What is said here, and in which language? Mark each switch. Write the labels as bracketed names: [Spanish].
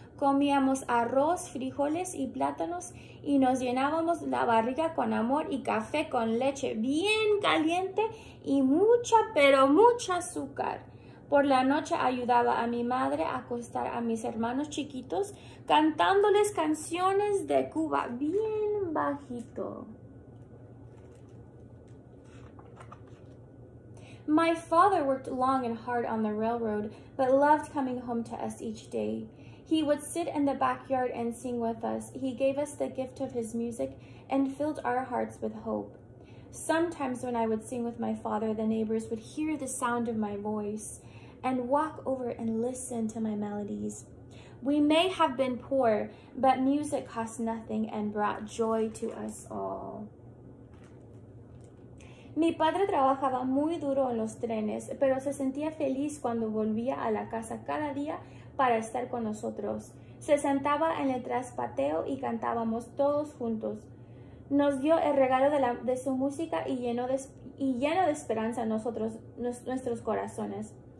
[Spanish] Comíamos arroz, frijoles y plátanos y nos llenábamos la barriga con amor y café con leche bien caliente y mucha, pero mucha azúcar. Por la noche ayudaba a mi madre a acostar a mis hermanos chiquitos cantándoles canciones de Cuba bien bajito. [English] My father worked long and hard on the railroad, but loved coming home to us each day. He would sit in the backyard and sing with us. He gave us the gift of his music and filled our hearts with hope. Sometimes when I would sing with my father, the neighbors would hear the sound of my voice and walk over and listen to my melodies. We may have been poor, but music cost nothing and brought joy to us all. [Spanish] Mi padre trabajaba muy duro en los trenes, pero se sentía feliz cuando volvía a la casa cada día para estar con nosotros. Se sentaba en el traspatio y cantábamos todos juntos. Nos dio el regalo de su música y lleno de esperanza nuestros corazones.